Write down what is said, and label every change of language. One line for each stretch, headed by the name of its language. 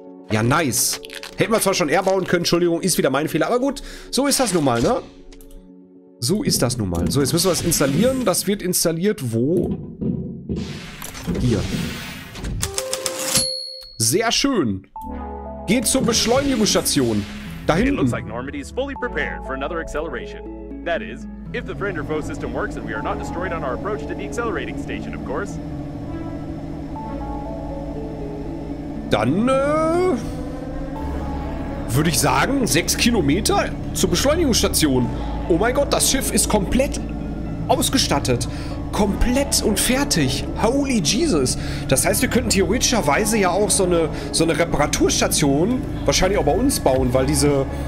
German: Ja, nice. Hätten wir zwar schon eher bauen können, Entschuldigung, ist wieder mein Fehler, aber gut, so ist das nun mal, ne? So ist das nun mal. So, jetzt müssen wir es installieren. Das wird installiert wo? Hier. Sehr schön. Geht zur Beschleunigungsstation. Da hinten.
English: It looks like Normandy is fully prepared for another acceleration. That is, if the friend or foe system works and we are not destroyed on our approach to the accelerating station, of course.
German: Dann, würde ich sagen, 6 Kilometer zur Beschleunigungsstation. Oh mein Gott, das Schiff ist komplett ausgestattet. Komplett und fertig.
English: Holy Jesus.
German: Das heißt, wir könnten theoretischerweise ja auch so eine Reparaturstation wahrscheinlich auch bei uns bauen, weil diese...